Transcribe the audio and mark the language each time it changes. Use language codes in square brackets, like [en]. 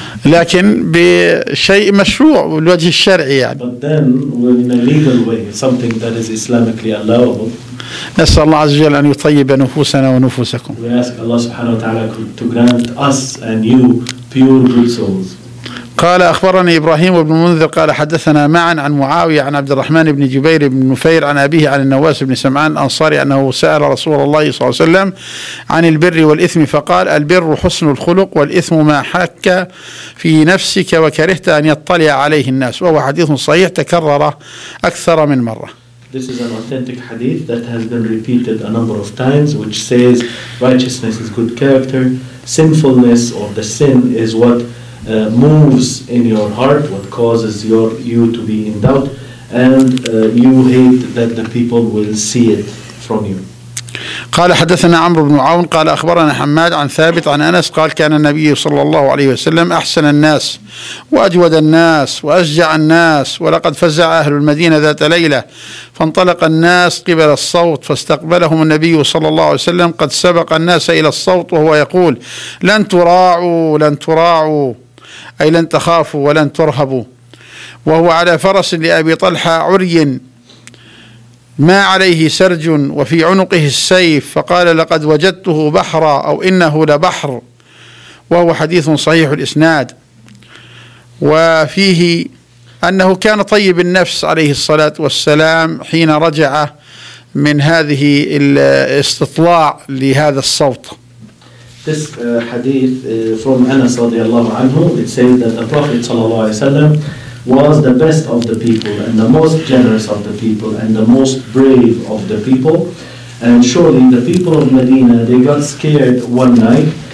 [ar] لكن بشيء مشروع بالوجه الشرعي يعني. [en] But then, in a legal way, something that is Islamically allowable. [ar] نسأل الله عز وجل أن يطيب نفوسنا ونفوسكم. [en] We ask Allah subhanahu wa ta'ala to grant us and you pure good souls. [ar] قال أخبرني إبراهيم بن منذر قال حدثنا معا عن معاوية عن عبد الرحمن بن جبير بن نفير عن أبيه عن النواس بن سمعان الأنصاري أنه سأل رسول الله صلى الله عليه وسلم عن البر والإثم فقال البر حسن الخلق والإثم ما حك في نفسك وكرهت أن يطلع عليه الناس, وهو حديث صحيح تكرر أكثر من مرة. [en] This is an authentic hadith that has been repeated a number of times, which says righteousness is good character, sinfulness or the sin is what moves in your heart, what causes you to be in doubt, and you hate that the people will see it from you. [ar] قال حدثنا عمرو بن عون قال أخبرنا حماد عن ثابت عن أنس قال كان النبي صلى الله عليه وسلم أحسن الناس وأجود الناس وأشجع الناس, ولقد فزع أهل المدينة ذات ليلة فانطلق الناس قبل الصوت فاستقبلهم النبي صلى الله عليه وسلم قد سبق الناس إلى الصوت وهو يقول لن تراعوا لن تراعوا, أي لن تخافوا ولن ترهبوا, وهو على فرس لأبي طلحة عري ما عليه سرج وفي عنقه السيف, فقال لقد وجدته بحرا أو إنه لبحر, وهو حديث صحيح الإسناد. وفيه أنه كان طيب النفس عليه الصلاة والسلام حين رجع من هذه الاستطلاع لهذا الصوت. [en] This hadith from Anas radiallahu anhu, it says that the Prophet sallallahu alayhi wa sallam was the best of the people and the most generous of the people and the most brave of the people. And surely the people of Medina, they got scared one night.